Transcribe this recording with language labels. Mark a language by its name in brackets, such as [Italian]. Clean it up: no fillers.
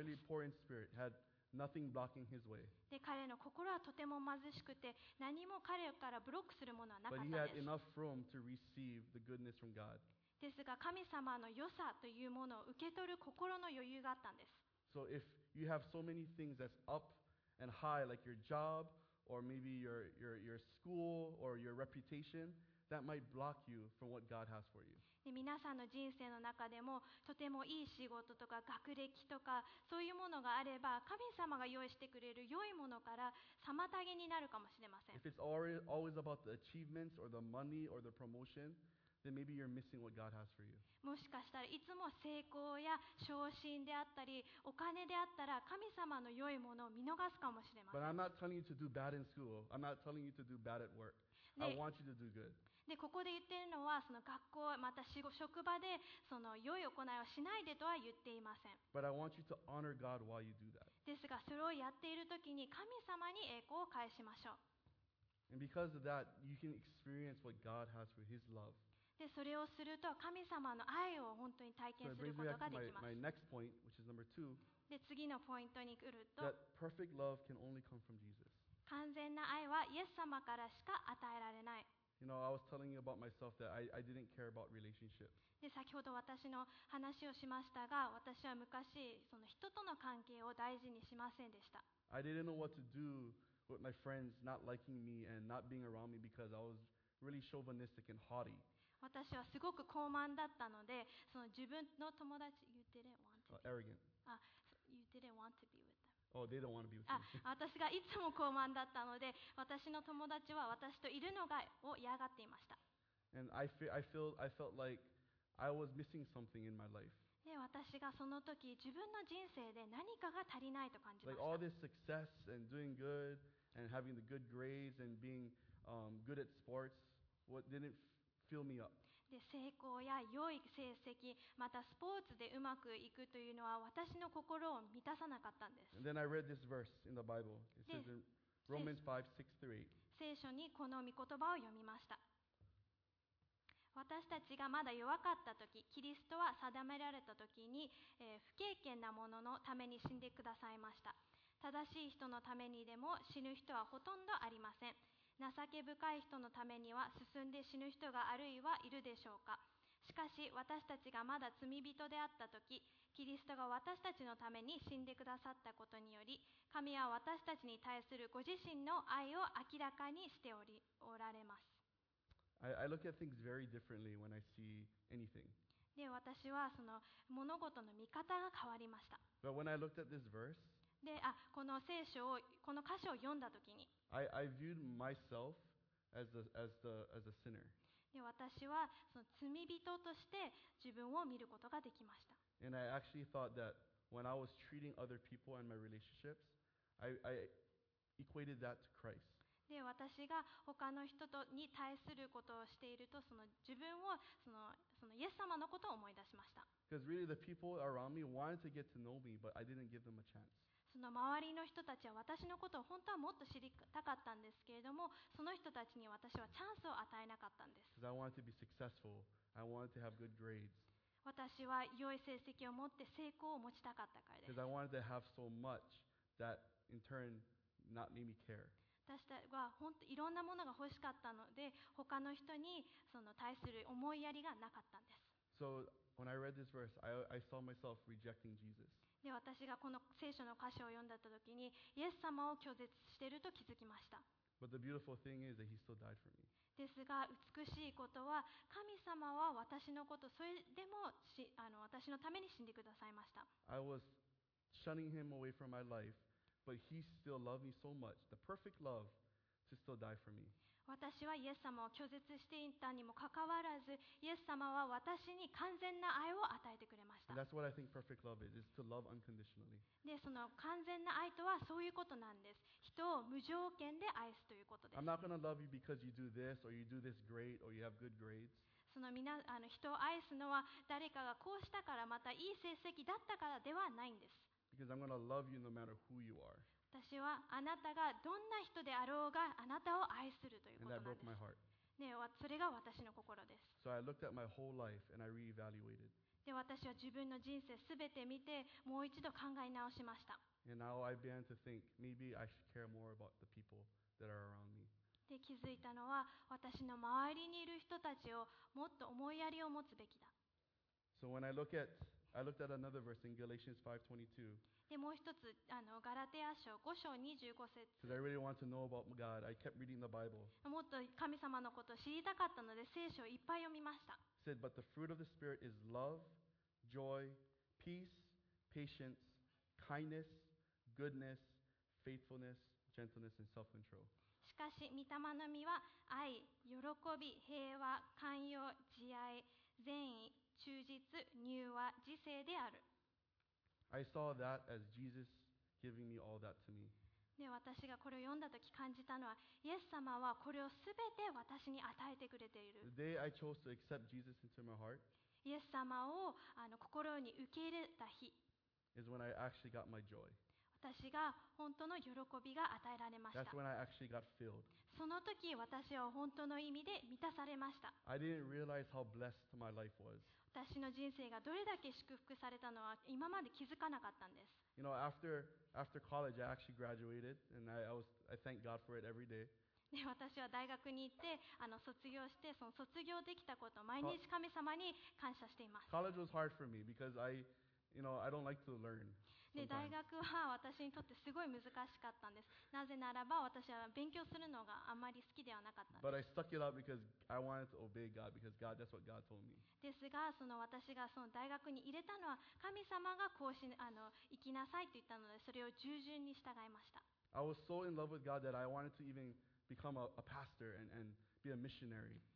[English] Really poor in spirit, had nothing blocking his way. [Japanese] で彼の心はとても貧しくて何も彼からブロックするものはなかったです。 [English] But he had enough room to receive the goodness from God. [Japanese] ですが神様の良さというものを受け取る心の余裕があったんです。 [English] So if you have so many things that's up and high like your job or maybe your school or your reputation that might block you from what God has for you. [Japanese] で皆さんの人生の中でもとてもいい仕事とか学歴とかそういうものがあれば神様が用意してくれる良いものから妨げになるかもしれません。 [English] If it's always about the achievements or the money or the promotion, then maybe you're missing what God has for you. [Japanese] もしかしたらいつも成功や昇進であったりお金であったら神様の良いものを見逃すかもしれません。 [English] But I'm not telling you to do bad in school. I'm not telling you to do bad at work. I want you to do good. [Japanese] でここで言っているのはその学校また仕事職場でその良い行いをしないでとは言っていません。 [English] But I want you to honor God while you do that. [Japanese] ですがそれをやっているときに神様に栄光を返しましょう。 [English] And because of that, you can experience what God has for His love. [Japanese] でそれをすると神様の愛を本当に体験することができます。 [English] So it brings me back to my next point, which is number two. [Japanese] で次のポイントに来ると、 [English] that perfect love can only come from Jesus. [Japanese] 完全な愛はイエス様からしか与えられない。 [English] You know, I was telling you about myself that I didn't care about relationships. [Japanese] で、先ほど私の話をしましたが、私は昔その人との関係を大事にしませんでした。 [English] I didn't know what to do with my friends not liking me and not being around me because I was really chauvinistic and haughty. [Japanese] 私はすごく傲慢だったので、その自分の友達 [English] you didn't want to be. Arrogant. You didn't want to be with them. Oh, they don't want to be with me. [Japanese] 私がいつも傲慢だったので、私の友達は私といるのがを嫌がっていました。 [English] And I felt like I was missing something in my life. [Japanese] で、私がその時自分の人生で何かが足りないと感じました。 [English] Like all this success and doing good and having the good grades and being good at sports, what didn't fill me up? [Japanese] で、成功や良い成績、またスポーツでうまくいくというのは私の心を満たさなかったんです。 [English] And then I read this verse in the Bible. It says in Romans 5:6-8. [Japanese] 聖書にこの御言葉を読みました。私たちがまだ弱かった時、キリストは定められた時に、不敬虔な者のために死んでくださいました。正しい人のためにでも死ぬ人はほとんどありません。情け深い人のためには進んで死ぬ人があるいはいるでしょうか。しかし私たちがまだ罪人であったとき、キリストが私たちのために死んでくださったことにより、神は私たちに対するご自身の愛を明らかにしておられます。 [English] I look at things very differently when I see anything. [Japanese] で、私はその物事の見方が変わりました。 [English] But when I looked at this verse, [Japanese] で、この聖書を、この箇所を読んだときに、 [English] I viewed myself as a sinner. [Japanese] で、私はその罪人として自分を見ることができました。 [English] And I actually thought that when I was treating other people and my relationships, I equated that to Christ. [Japanese] で、私が他の人とに対することをしていると、その自分をそのイエス様のことを思い出しました。 [English] Because really the people around me wanted to get to know me, but I didn't give them a chance. [Japanese] その周りの人たちは私のことを本当はもっと知りたかったんですけれども、その人たちに私はチャンスを与えなかったんです。 [English] Because I wanted to be successful. I wanted to have good grades. [Japanese] 私は良い成績を持って成功を持ちたかったからです。 [English] Because I wanted to have so much that in turn not made me care. [Japanese] 私は本当いろんなものが欲しかったので、他の人にその対する思いやりがなかったんです。 [English] So when I read this verse, I saw myself rejecting Jesus. [Japanese] で、私がこの聖書の箇所を読んだ時に、イエス様を拒絶していると気づきました。 [English] But the beautiful thing is that He still died for me. [Japanese] ですが、美しいことは神様は私のことそれでも私のために死んでくださいました。 [English] I was shunning Him away from my life. But he still loved me so much, the perfect love, to still die for me. [Japanese] 私はイエス様を拒絶していたにもかかわらず、イエス様は私に完全な愛を与えてくれました。 [English] That's what I think perfect love is. It's to love unconditionally. [Japanese] で、その完全な愛とはそういうことなんです。人を無条件で愛すということです。 [English] I'm not going to love you because you do this or you do this great or you have good grades. [Japanese] その皆人を愛すのは誰かがこうしたからまたいい成績だったからではないんです。 [English] Because I'm going to love you no matter who you are. [Japanese] 私はあなたがどんな人であろうがあなたを愛するということなんです。 [English] And that broke my heart. [Japanese] ね、それが私の心です。 [English] So I looked at my whole life and I reevaluated. [Japanese] で、私は自分の人生すべて見てもう一度考え直しました。 [English] And now I began to think maybe I should care more about the people that are around me. [Japanese] で、気づいたのは私の周りにいる人たちをもっと思いやりを持つべきだ。 [English] So when I looked at another verse in Galatians 5:22. [Japanese] でもう一つガラテヤ書5章25節。 [English] Because I really want to know about God, I kept reading the Bible. [Japanese] もっと神様のことを知りたかったので聖書をいっぱい読みました。 [English] Said, but the fruit of the Spirit is love, joy, peace, patience, kindness, goodness, faithfulness, gentleness, and self-control. [Japanese] しかし御霊の実は愛、喜び、平和、寛容、慈愛、善意。忠実、柔和、自制である。 [English] I saw that as Jesus giving me all that to me. [Japanese] で、私がこれを読んだとき感じたのは、イエス様はこれをすべて私に与えてくれている。 [English] The day I chose to accept Jesus into my heart, [Japanese] イエス様を心に受け入れた日、 [English] is when I actually got my joy. [Japanese] 私が本当の喜びが与えられました。 [English] That's when I actually got filled. [Japanese] その時、私は本当の意味で満たされました。 [English] I didn't realize how blessed my life was. [Japanese] 私の人生がどれだけ祝福されたのは今まで気づかなかったんです。 [English] You know, after college, I actually graduated, and I thank God for it every day. [Japanese] 私は大学に行って卒業して、その卒業できたことを毎日神様に感謝しています。 [English] College was hard for me because I don't like to learn. [Japanese] で、大学は私にとってすごい難しかったんです。なぜならば私は勉強するのがあまり好きではなかったんです。 [English] But I stuck it out because I wanted to obey God because God, that's what God told me. [Japanese] ですが、その私がその大学に入れたのは神様がこうし行きなさいと言ったので、それを従順に従いました。 [English] I was so in love with God that I wanted to even become a pastor and be a missionary.